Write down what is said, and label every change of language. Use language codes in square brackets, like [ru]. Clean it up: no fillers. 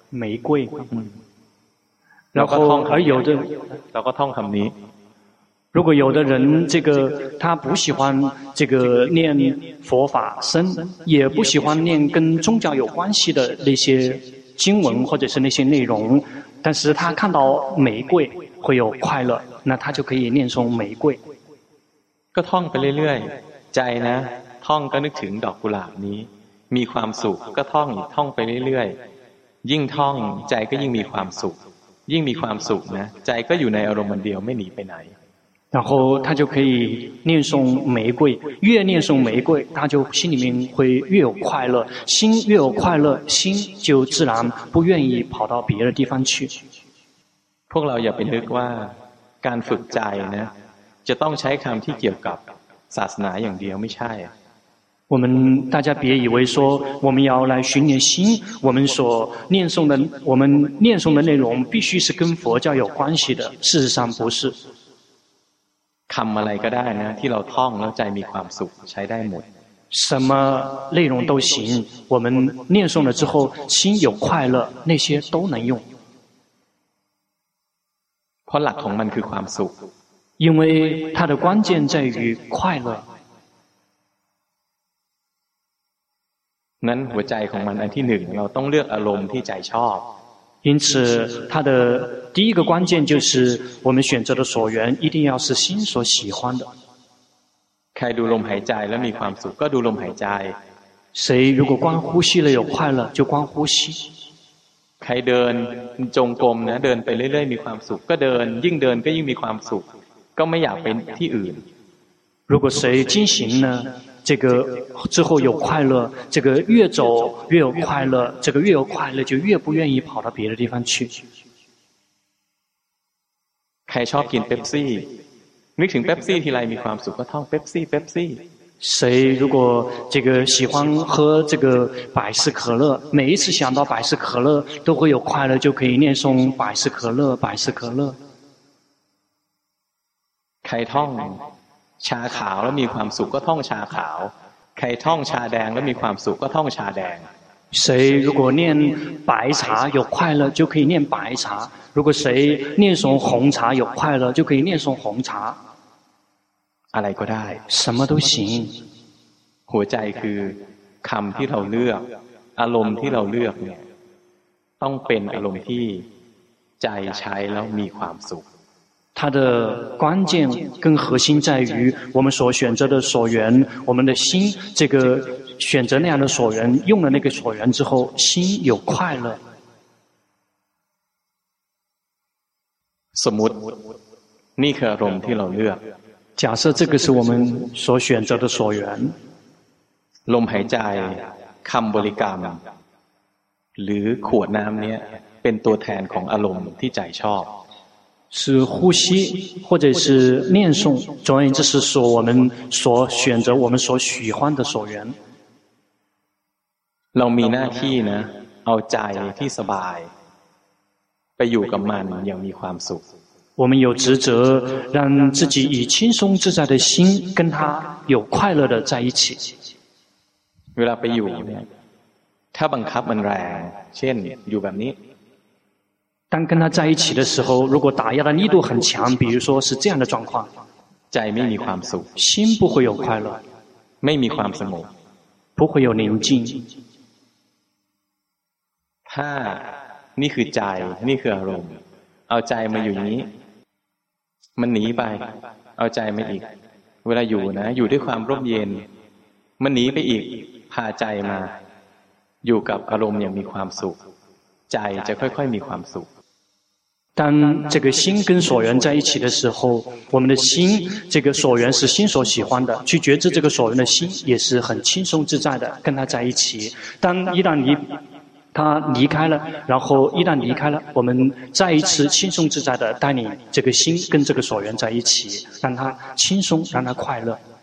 [zh] หมีกุ้ย [th] เราก็ท่องคำนี้เราก็ท่องคำนี้ [zh] 如果有的人这个他不喜欢这个念佛法僧也不喜欢念跟宗教有关系的那些经文或者是那些内容但是他看到玫瑰会有快乐那他就可以念诵玫瑰 [th] ก็ท่องไปเรื่อยๆใจนะท่องก็นึกถึงดอกกุหลาบนี้มีความสุขก็ท่องท่องไปเรื่อยๆยิ่งท่องใจก็ยิ่งมีความสุขยิ่งมีความสุขนะใจก็อยู่ในอารมณ์เดียวไม่หนีไปไหน [zh] 然后他就可以念诵玫瑰越念诵玫瑰他就心里面会越有快乐心越有快乐心就自然不愿意跑到别的地方去 [th] พวกเราอย่าไปนึกว่าการฝึกใจนะจะต้องใช้คำที่เกี่ยวกับศาสนาอย่างเดียวไม่ใช่ [zh] 我们大家别以为说我们要来训练心我们所念诵的我们念诵的内容必须是跟佛教有关系的事实上不是 [th] คำอะไรก็ได้นะที่เราท่องแล้วใจมีความสุขใช้ได้หมด [zh] 什么内容都行我们念诵了之后心有快乐那些都能用 [th] เพราะหลักของมันคือความสุข [zh] 因为它的关键在于快乐 [th] นั้นหัวใจของมันอันที่หนึ่งเราต้องเลือกอารมณ์ที่ใจชอบ [zh] 因此它的第一个关键就是我们选择的所缘一定要是心所喜欢的 [th] ใครดูลมหายใจแล้วมีความสุขก็ดูลมหายใจ [zh] 谁如果观呼吸了有快乐就观呼吸 [th] ใครเดินจงกรมนะเดินไปเรื่อยๆมีความสุขก็เดินยิ่งเดินก็ยิ่งมีความสุขก็ไม่อยากเป็นที่อื่น [zh] 如果谁进行呢这个之后有快乐这个越走越有快乐这个越有快乐就越不愿意跑到别的地方去 [th] ใครชอบกินเป๊ปซี่นึกถึงเป๊ปซี่ทีไรมีความสุขก็ท่องเป๊ปซี่เป๊ปซี่ [zh] 谁如果这个喜欢喝这个百事可乐每一次想到百事可乐都会有快乐就可以念诵百事可乐百事可乐 [th] ใครท่องชาขาวแล้วมีความสุขก็ท่องชาขาวใครท่องชาแดงแล้วมีความสุขก็ท่องชาแดง [zh] 谁如果念白茶有快乐就可以念白茶如果谁念诵红茶有快乐就可以念诵红茶 [th] อะไรก็ได้ [zh] 什么都行 [th] หัวใจคือคำที่เราเลือกอารมณ์ที่เราเลือกเนี่ยต้องเป็นอารมณ์ที่ใจใช้แล้วมีความสุข [zh] 它的关键跟核心在于我们所选择的所缘我们的心这个选择那样的所缘用了那个所缘之后心有快乐 [th] สมมุตินี่คืออารมณ์ที่เราเลือก [zh] 假设这个是我们所选择的所缘 [th] ลมหายใจคำบริกรรมหรือขวดน้ำเนี้ยเป็นตัวแทนของอารมณ์ที่ใจชอบ [zh] 是呼吸或者是念诵总而言之是说我们所选择我们所喜欢的所缘 [th] เรามีหน้าที่นะเอาใจที่สบายไปอยู่กับมันอย่างมีความสุข [zh] 我们有职责让自己以轻松自在的心跟他有快乐的在一起 [th] เวลาไปอยู่เนี่ยถ้าบังคับมันแรงเช่นอยู่แบบนี้ [zh] 当跟他在一起的时候如果打压的力度很强比如说是这样的状况在没有 [th] ความสุข [zh] 心不会有快乐 [th] ไม่มีความสงบ [zh] 不会有宁静 [th] ถ้านี่คือใจนี่คืออารมณ์เอาใจมาอยู่นี้มันหนีไปเอาใจมาอีกเวลาอยู่นะอยู่ด้วยความร่มเย็นมันหนีไปอีกพาใจมาอยู่กับอารมณ์อย่างมีความสุขใจจะค่อยๆมีความสุข [zh] 当这个心跟所缘在一起的时候我们的心这个所缘是心所喜欢的去觉知这个所缘的心也是很轻松自在的跟他在一起当一旦他离开了然后一旦离开了我们再一次轻松自在的带领这个心跟这个所缘在一起让他轻松让他快乐